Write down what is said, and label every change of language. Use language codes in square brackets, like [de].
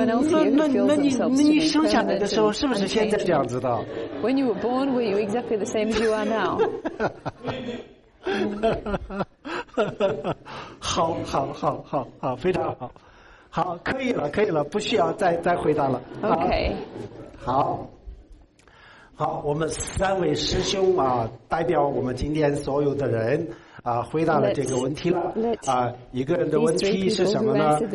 [zh] 那你生下来的时候是不是现在这样子的 [en] ？When you were born, were you exactly the same as you are now? [zh] 好，好，好，好，好，非常好，好，可以了，可以了，不需要再回答了。 OK，好，好，我们三位师兄啊，代表我们今天所有的人。啊，回答了这个问题了。啊，一个人的问题是什么呢？